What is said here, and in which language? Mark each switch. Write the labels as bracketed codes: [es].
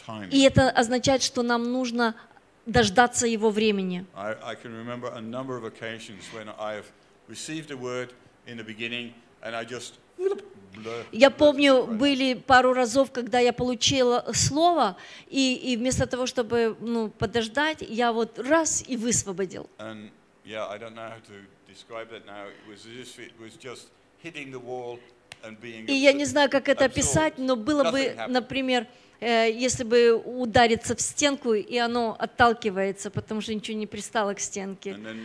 [ru] И это означает, что нам нужно дождаться его времени. [en] I can remember a number of occasions when I have received a word in the beginning and I just [ru] Я помню, были пару разов, когда я получила слово, и вместо того, чтобы, ну, подождать, я вот раз и высвободил. [en] And yeah, I don't know how to describe that now. It was just hitting the wall and being [ru] И я не знаю, как это описать, но было бы, например, если бы удариться в стенку, и оно отталкивается, потому что ничего не пристало к стенке.